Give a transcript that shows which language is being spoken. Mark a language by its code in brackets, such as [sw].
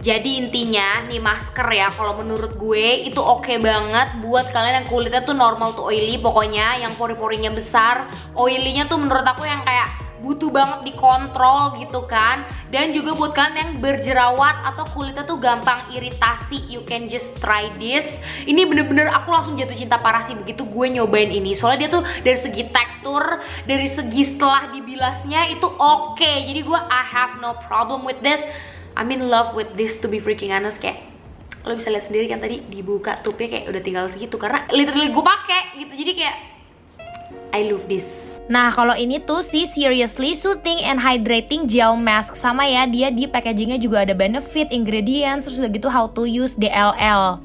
[id] Jadi intinya nih masker ya, kalau menurut gue itu oke banget buat kalian yang kulitnya tuh normal tuh oily, pokoknya yang pori-porinya besar, oily-nya tuh menurut aku yang kayak butuh banget dikontrol gitu kan. Dan juga buat kalian yang berjerawat atau kulitnya tuh gampang iritasi, [en] you can just try this. [id] Ini bener-bener aku langsung jatuh cinta parah sih begitu gue nyobain ini. Soalnya dia tuh dari segi tekstur, dari segi setelah dibilasnya itu oke. Jadi gue [en] I have no problem with this. I'm in love with this to be freaking honest. [id] Kayak lo bisa lihat sendiri kan tadi dibuka tube-nya kayak udah tinggal segitu, karena literally gue pakai gitu. Jadi kayak [en] I love this. [id] Nah, kalau ini tuh sih [en] seriously soothing and hydrating gel mask. [id] Sama ya, dia di packagingnya juga ada benefit, ingredients, terus udah gitu [en] how to use [id] DLL.